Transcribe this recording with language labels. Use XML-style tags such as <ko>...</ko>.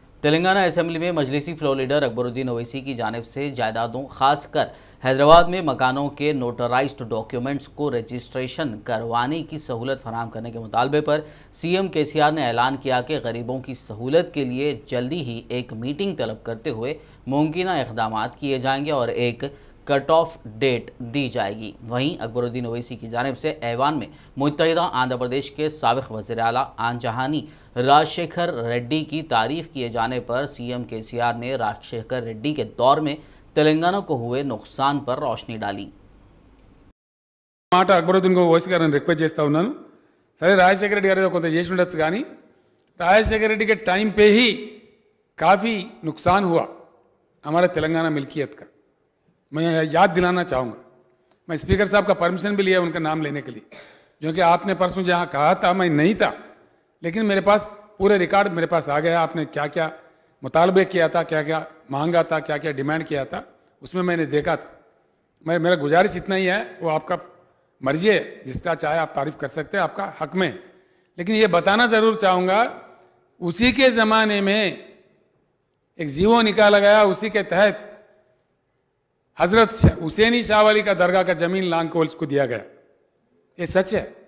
<hi>Telangana assembly में मजलिसी floor leader Akbaruddin Owaisi की जानिब से जायदादों, खासकर हैदराबाद में मकानों के नोटराइज्ड डॉक्यूमेंट्स को रजिस्ट्रेशन करवाने की सहूलत फराहम करने के मुतालबे पर सीएम केसीआर ने ऐलान किया कि गरीबों की सहूलत के लिए जल्दी ही एक मीटिंग तलब करते हुए मुमकिन इकदाम किए जाएंगे और एक कट ऑफ डेट दी जाएगी। वहीं अकबरुद्दीन ओवैसी की जानिब से ऐवान में मुत्तहिदा आंध्र प्रदेश के साबिक वज़ीर आला आनजहानी राजशेखर रेड्डी की तारीफ किए जाने पर सीएम केसीआर ने राजशेखर रेड्डी के दौर में तेलंगाना को हुए नुकसान पर रोशनी डाली।</hi> <te>మాట అక్బరుద్దీన్ ఓవైసీ గారిని రిక్వెస్ట్ చేస్తా ఉన్నాను, సరే రాజశేఖర్ రెడ్డి గారు కొంత చేసి ఉండొచ్చు, కానీ రాజశేఖర్ రెడ్డికి</te> <hi>టైం పే హి కాఫీ నుక్సాన్ హువా హమారా తెలంగాణ మిల్కియత్ కా, మే యాద్ దిలానా చాహుంగా, मैं स्पीकर साहब का परमिशन भी लिया उनका नाम लेने के लिए, क्योंकि आपने परसों जहां कहा था मैं नहीं था, लेकिन मेरे पास पूरे रिकॉर्ड मेरे पास आ गया, आपने क्या क्या मुतालबे किया था, क्या क्या मांगा था, क्या क्या डिमांड किया था, उसमें मैंने देखा था। मैं मेरा गुजारिश इतना ही है, वो आपका मर्जी है, जिसका चाहे आप तारीफ कर सकते हैं, आपका हक में, लेकिन ये बताना ज़रूर चाहूँगा उसी के ज़माने में एक जीवो निकाला गया, उसी के तहत हजरत हुसैनी शाहवाली का दरगाह का जमीन लांगकोल्स को दिया गया, ये सच है।</hi>